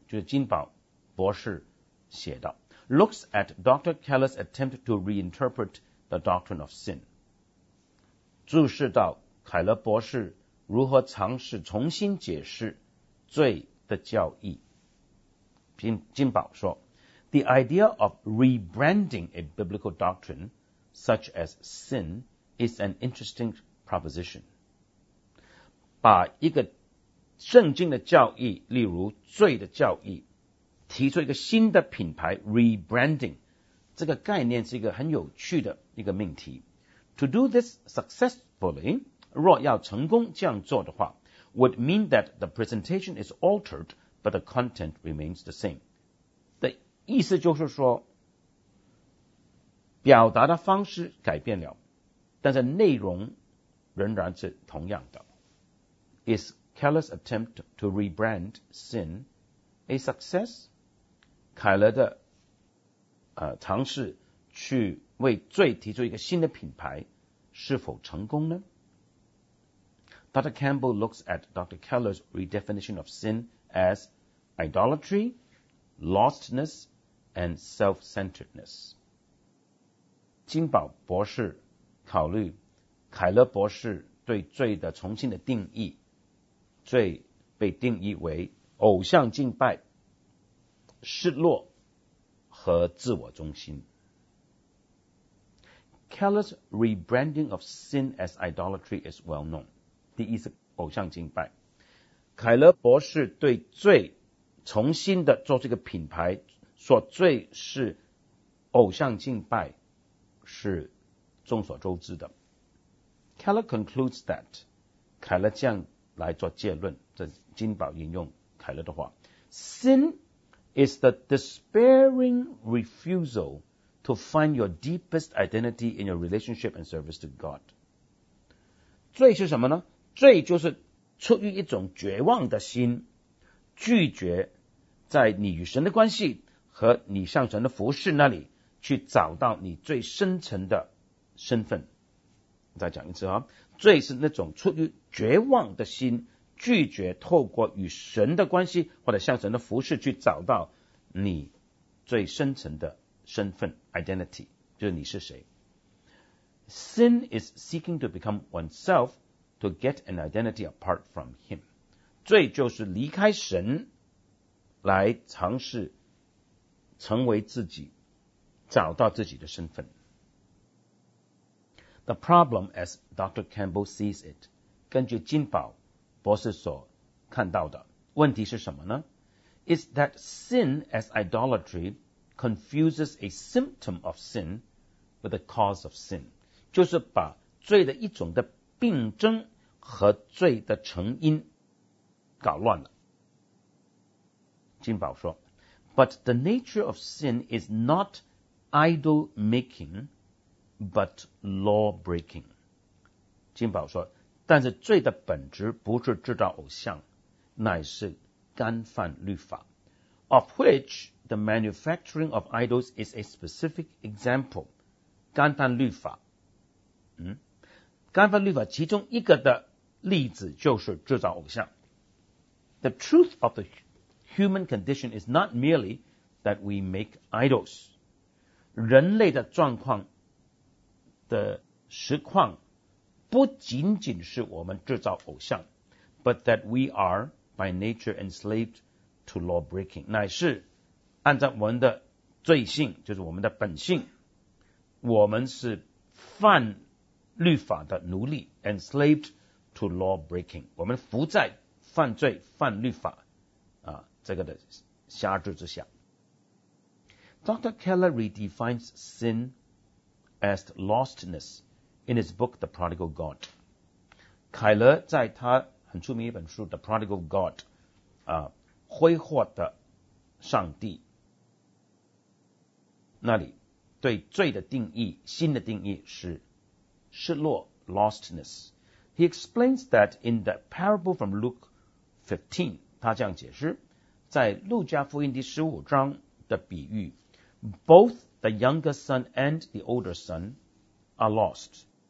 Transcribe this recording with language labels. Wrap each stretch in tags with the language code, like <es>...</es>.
<zh>就是金宝博士写的，</zh> <en>looks at Dr. Keller's attempt to reinterpret the doctrine of sin.</en> <zh>注视到凯勒博士如何尝试重新解释罪的教义。金宝说，</zh> <en>The idea of rebranding a biblical doctrine such as sin is an interesting proposition.</en> <zh>把一个圣经的教义，例如罪的教义，提出一个新的品牌 rebranding， 这个概念是一个很有趣的一个命题。</zh> <en>To do this successfully,</en> <zh>若要成功这样做的话</zh> <en>would mean that the presentation is altered, but the content remains the same.</en> <zh>的意思就是说，表达的方式改变了，但是内容仍然是同样的。</zh> <en>Is Keller's attempt to rebrand sin a success?</en> <zh>凯勒的尝试去为罪提出一个新的品牌，是否成功呢？</zh> <en>Dr. Campbell looks at Dr. Keller's redefinition of sin as idolatry, lostness, and self-centeredness.</en> <zh>金宝博士考虑凯勒博士对罪的重新的定义，罪被定义为偶像敬拜、失落和自我中心。</zh> <en>Keller's rebranding of sin as idolatry is well known.</en> <zh>第一是偶像敬拜。凯勒博士对罪重新的做这个品牌，说罪是偶像敬拜，是众所周知的。</zh> <en>Keller concludes that,</en> <zh>凯勒这样来做结论，这金宝引用凯勒的话，</zh> <en>Sin is the despairing refusal to find your deepest identity in your relationship and service to God.</en> <zh>罪是什么呢？罪就是出于一种绝望的心，拒绝在你与神的关系和你向神的服事那里去找到你最深层的身份。再讲一次啊，罪是那种出于绝望的心，拒绝透过与神的关系或者向神的服事去找到你最深层的身份 ,identity, 就是你是谁。</zh> <en>Sin is seeking to become oneself to get an identity apart from him.</en> <zh>罪就是离开神来尝试成为自己，找到自己的身份。</zh> <en>The problem as Dr. Campbell sees it,</en> <zh>根据金宝博士所看到的问题是什么呢？</zh> <en>Is that sin as idolatry confuses a symptom of sin with the cause of sin.</en> <zh>就是把罪的一种的病症和罪的成因搞乱了。金宝说，</zh> <en>But the nature of sin is not idol making, but law breaking.</en> <zh>金宝说，但是罪的本质不是制造偶像，乃是干犯律法。</zh> <en>Of which the manufacturing of idols is a specific example.</en> <zh>干犯律法，干犯律法其中一个的例子就是制造偶像。</zh> <en>The truth of the human condition is not merely that we make idols.</en> <zh>人类的状况的实况不仅仅是我们制造偶像，</zh> <en>but that we are by nature enslaved to law breaking.</en> <zh>乃是按照我们的罪性，就是我们的本性，我们是犯律法的奴隶，</zh> <en>enslaved to law breaking，</en> <zh>我们伏在犯罪犯律法这个的辖制之下。</zh> <en>Dr. Keller redefines sin as lostness in his book The Prodigal God.</en> <zh>凯勒在他很出名一本书 The Prodigal God 挥霍的上帝那里，对罪的定义，新的定义是失落 lostness。</zh> <en>He explains that in the parable from Luke 15,</en> <zh>他这样解释，在路加福音第十五章的比喻，</zh> <en>both the younger son and the older son are lost.</en>